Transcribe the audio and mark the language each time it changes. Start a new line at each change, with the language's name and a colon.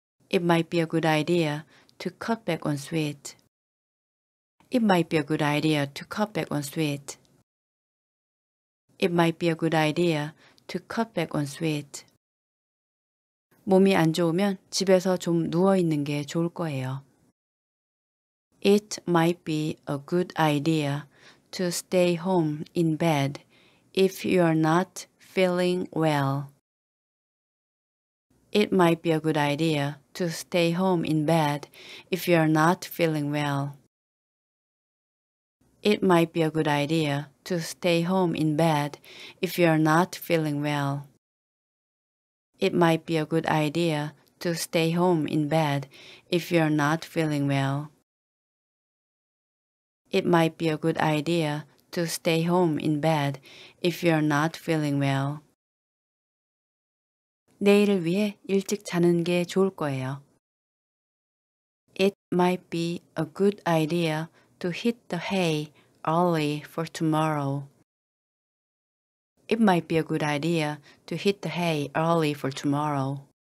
English: It might be a good idea to cut back on sweets. It might be a good idea to cut back on sweets. It might be a good idea to cut back on sweets.
Korean: 몸이 안 좋으면 집에서 좀 누워 있는 게 좋을 거예요.
English: It might be a good idea to stay home in bed if you are not feeling well. It might be a good idea to stay home in bed if you are not feeling well. It might be a good idea to stay home in bed if you are not feeling well. It might be a good idea to stay home in bed if you are not feeling well. It might be a good idea to stay home in bed if you are not feeling well.
Korean: 내일을 위해 일찍 자는 게 좋을 거예요.
English: It might be a good idea to hit the hay early for tomorrow. It might be a good idea to hit the hay early for tomorrow.